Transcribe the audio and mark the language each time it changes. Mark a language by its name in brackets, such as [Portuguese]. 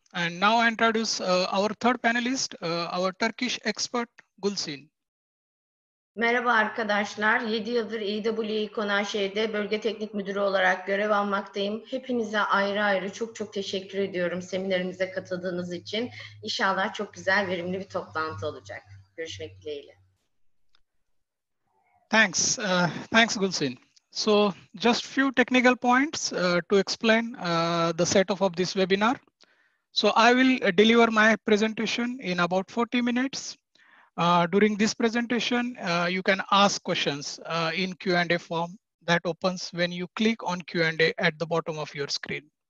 [English] And now I introduce our third panelist, our Turkish expert, Gülçin. [Turkish] Merhaba arkadaşlar. 7 yıldır EW'yi konan şeyde bölge teknik müdürü olarak görev almaktayım. Hepinize ayrı ayrı çok çok teşekkür ediyorum seminerimize katıldığınız için. İnşallah çok güzel, verimli bir toplantı olacak. Görüşmek dileğiyle. [English] Thanks. Thanks, Gülçin. So, just few technical points to explain the setup of this webinar. So I will deliver my presentation in about 40 minutes. During this presentation, you can ask questions in Q&A form that opens when you click on Q&A at the bottom of your screen.